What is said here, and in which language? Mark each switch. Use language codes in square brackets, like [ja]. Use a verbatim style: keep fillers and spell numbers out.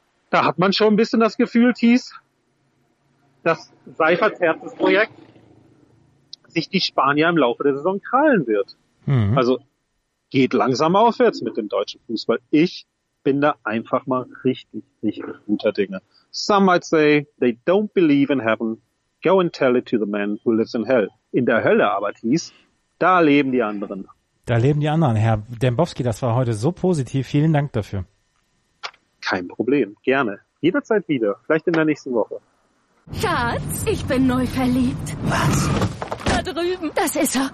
[de] Da hat man schon ein bisschen das Gefühl, Thies, dass Seiferts Herzensprojekt sich die Spanier im Laufe der Saison krallen wird. Mhm. Also geht langsam aufwärts mit dem deutschen Fußball. Ich bin da einfach mal richtig, richtig guter Dinge. [en] Some might say they don't believe in heaven. Go and tell it to the man who lives in hell. [de] In der Hölle aber, Thies, da leben die anderen. Da leben die anderen. Herr Dembowski, das war heute so positiv. Vielen Dank dafür. Kein Problem. Gerne. Jederzeit wieder. Vielleicht in der nächsten Woche. Schatz, ich bin neu verliebt. Was? Da drüben. Das ist er.